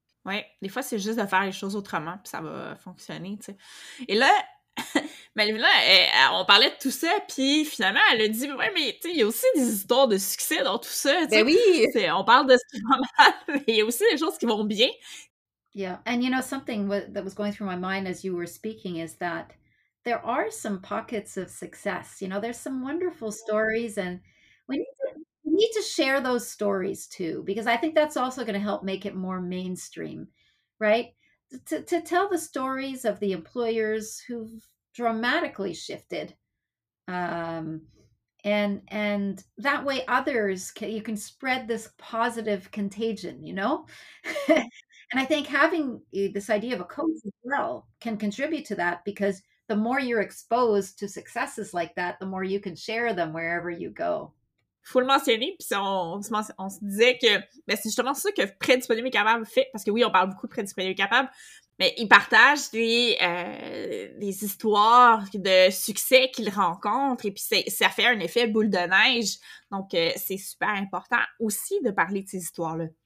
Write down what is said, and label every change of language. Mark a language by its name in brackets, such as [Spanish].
[French] Ouais, des fois, c'est juste de faire les choses autrement, puis ça va fonctionner, tu sais. Et là... Malvina, on parlait de tout ça, puis finalement, elle a dit « Ouais, mais tu sais, il y a aussi des histoires de succès dans tout ça. » Ben oui! On parle de ce qui va mal, mais il y a aussi des choses qui vont bien. [English] Yeah, and you know, something that was going through my mind as you were speaking is that there are some pockets of success. You know, there's some wonderful stories, and we need to share those stories too, because I think that's also going to help make it more mainstream, right? To tell the stories of the employers who've dramatically shifted, and that way others can, you can spread this positive contagion, you know. And I think having this idea of a coach as well can contribute to that, because the more you're exposed to successes like that, the more you can share them wherever you go. [French] Faut le mentionner, puis on se disait que ben c'est justement ça que Prédisponible et Capable fait, parce que oui, on parle beaucoup de Prédisponible et Capable, mais ils partagent des histoires de succès qu'ils rencontrent, et puis ça fait un effet boule de neige, donc c'est super important aussi de parler de ces histoires-là.